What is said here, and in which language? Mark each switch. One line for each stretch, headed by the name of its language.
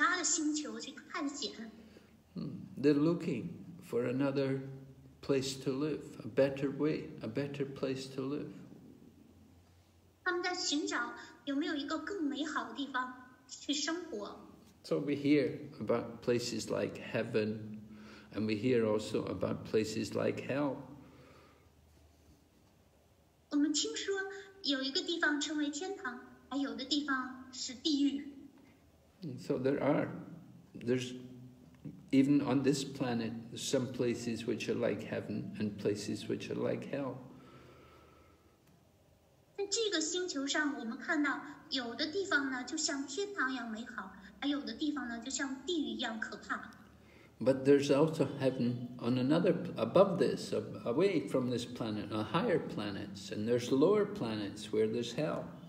Chinese: 有的人呢，他们就坐那个太空船，我想去其他的星球去探险。
English: They're looking for another place to live, a better way, a better place to live.
Chinese: 他们在寻找有没有一个更美好的地方去生活。
English: So we hear about places like heaven, and we hear also about places like hell.
Chinese: 我们听说有一个地方称为天堂，还有的地方是地狱。
English: So there are, there's even on this planet some places which are like heaven and places which are like hell.
Chinese: 在这个星球上，我们看到有的地方呢就像天堂一样美好。
English: But there's also heaven on another, above this, away from this planet, on higher planets, and there's lower planets where there's hell.